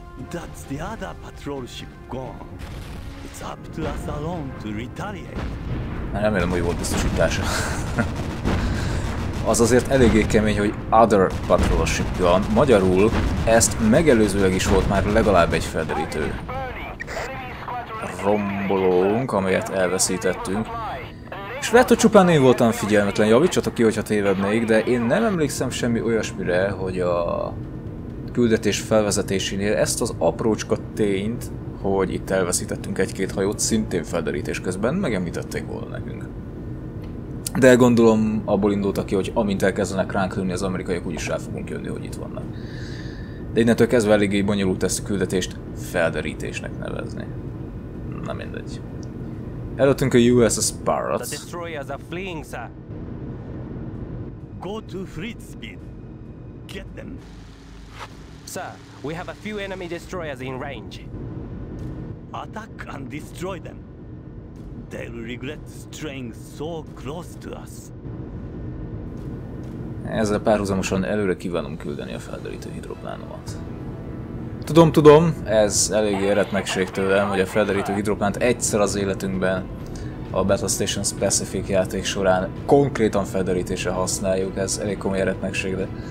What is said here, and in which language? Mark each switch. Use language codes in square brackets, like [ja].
[en] That's the other patrol ship gone. It's up to us alone to retaliate. [hu] Remélem, hogy volt biztosítása. Az azért eléggé kemény, hogy [en] other patrol ship gone. [hu] Magyarul ezt megelőzőleg is volt már legalább egy felderítő rombolónk, amelyet elveszítettünk. És lehet, hogy csupán én voltam figyelmetlen, javítsatok ki, hogyha tévednék, de én nem emlékszem semmi olyasmire, hogy a küldetés felvezetésénél ezt az aprócska tényt, hogy itt elveszítettünk egy-két hajót, szintén felderítés közben megemlítették volna nekünk. De gondolom abból indultak ki, hogy amint elkezdenek ránk lőni az amerikaiak, úgyis rá fogunk jönni, hogy itt vannak. De innentől kezdve eléggé bonyolult ezt a küldetést felderítésnek nevezni. Na mindegy. Előttünk a USS Parrot. [en] The destroyers are fleeing, sir. Go to Fritzbeat. Get them. Sir, we have a few enemy destroyers in range. Attack and destroy them. They'll regret straying so close to us. [hu] Ezzel párhuzamosan előre kívánom küldeni a felderítő hidroplánomat. Tudom, ez eléggé eretnekség tőlem, hogy a felderítő hidroplánt egyszer az életünkben a Battle Station Specific játék során konkrétan felderítésre használjuk, ez elég komoly eretnekség, de...